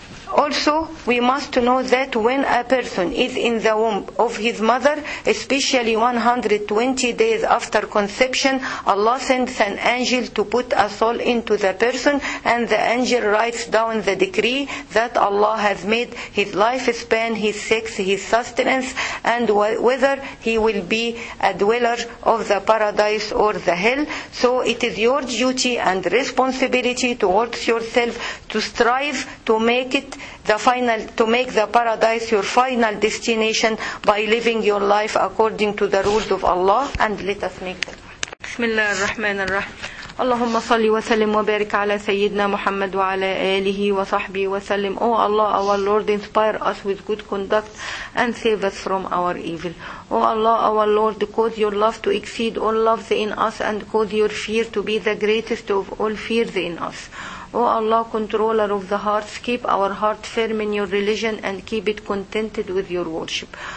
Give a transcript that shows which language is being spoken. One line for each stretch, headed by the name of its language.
English: Also, we must know that when a person is in the womb of his mother, especially 120 days after conception, Allah sends an angel to put a soul into the person, and the angel writes down the decree that Allah has made, his lifespan, his sex, his sustenance, and whether he will be a dweller of the paradise or the hell. So it is your duty and responsibility towards yourself to strive to make it the final, to make the paradise your final destination by living your life according to the rules of Allah. And let us make the dua. Bismillah ar-Rahman ar-Rahim.
Arabic: اللهم صل وسلم وبارك على سيدنا محمد وعلى آله وصحبه وسلم.
English: Oh Allah, our Lord, inspire us with good conduct and save us from our evil. Oh Allah, our Lord, cause your love to exceed all loves in us and cause your fear to be the greatest of all fears in us. O Allah, controller of the hearts, keep our heart firm in your religion and keep it contented with your worship.